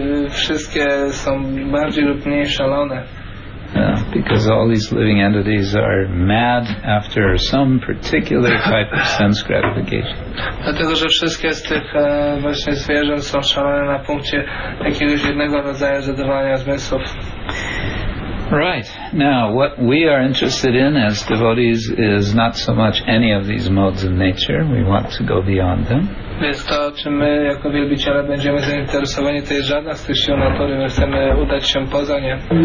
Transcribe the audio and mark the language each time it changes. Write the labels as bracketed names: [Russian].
[Polish] Wszystkie są bardziej lub mniej szalone. [English] Because all these living entities are mad after some particular type of sense gratification. [Polish] Dlatego, że wszystkie z tych właśnie zwierząt są szalone na punkcie jakiegoś jednego rodzaju zadowolenia zmysłów. [English] Right. Now, what we are interested in as devotees is not so much any of these modes of nature. We want to go beyond them. [Polish] Więc to, czym my jako wielbiciele będziemy zainteresowani, to jest żadna z tych sił natury. My chcemy udać się poza nie.